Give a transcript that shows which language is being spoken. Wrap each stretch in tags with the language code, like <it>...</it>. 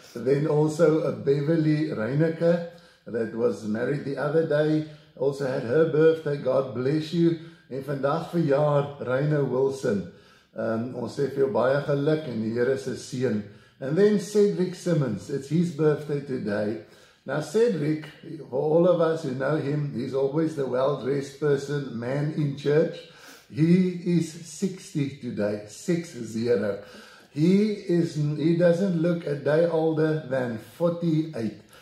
<en>Then also Beverly Reineke, that was married the other day, also had her birthday.</en> <af>God bless you. En vandag verjaar Reine Wilson. Ons sê vir jou baie geluk en die Here se seën.</af> <en>And then Cedric Simmons, it's his birthday today. Now Cedric, for all of us who know him, he's always the well-dressed person, man in church. He is 60 today, 60. He doesn't look a day older than 48.</en>